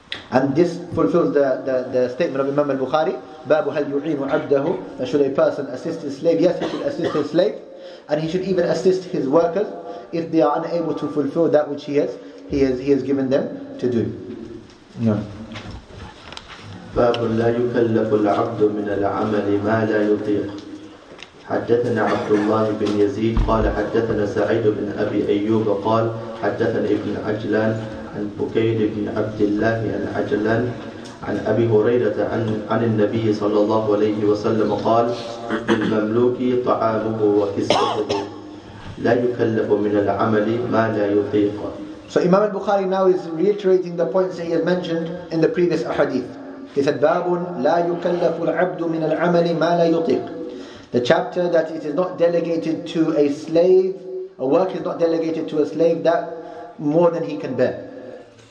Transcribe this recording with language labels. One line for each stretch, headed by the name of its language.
English: And this fulfills the statement of Imam al-Bukhari,
Arabic: بَابُ هَلْ يُعِينُ عَبْدَهُ.
English: Should a person assist his slave? Yes, he should assist his slave. And he should even assist his workers if they are unable to fulfill that which he has given them to do.
Arabic: باب لا يكلف العبد من العمل ما لا يطيق. حدثنا عبد الله بن يزيد قال حدثنا سعيد بن أبي أيوب قال حدثنا ابن عجلان عن بكير بن عبد الله عن عجلان عن أبي هريرة عن النبي صلى الله عليه وسلم قال المملوك طعامه وكسوته لا يكلف من العمل ما لا يطيق.
English: So Imam al-Bukhari now is reiterating the points that he has mentioned in the previous hadith. He said,
Arabic: بَابٌ لَا يُكَلَّفُ الْعَبْدُ مِنَ الْعَمَلِ مَا لَا يُطِيقُ.
English: The chapter that it is not delegated to a slave, a work is not delegated to a slave that more than he can bear.